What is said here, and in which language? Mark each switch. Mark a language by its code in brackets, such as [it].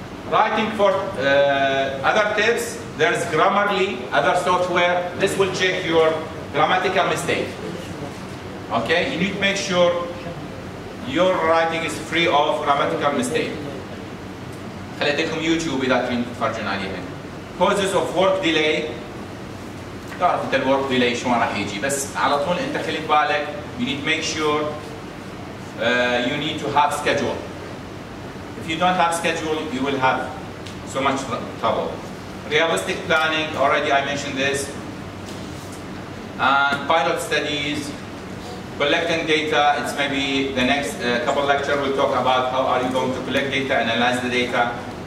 [en] Writing for other tips, there's Grammarly, other software, this will check your grammatical mistake. Okay, you need to make sure your writing is free of grammatical mistake. [ar] خليتكم يوتيوب إذا تريدون تتفرجون عليها. [en] Causes of work delay. [ar] تعرف أنت الورك ديلاي شلون راح يجي بس على طول أنت خلي بالك [en] you need to make sure you need to have schedule. If you don't have schedule you will have so much trouble. Realistic planning, already I mentioned this. And pilot studies, collecting data, it's maybe the next couple lecture we'll talk about how are you going to collect data, analyze the data.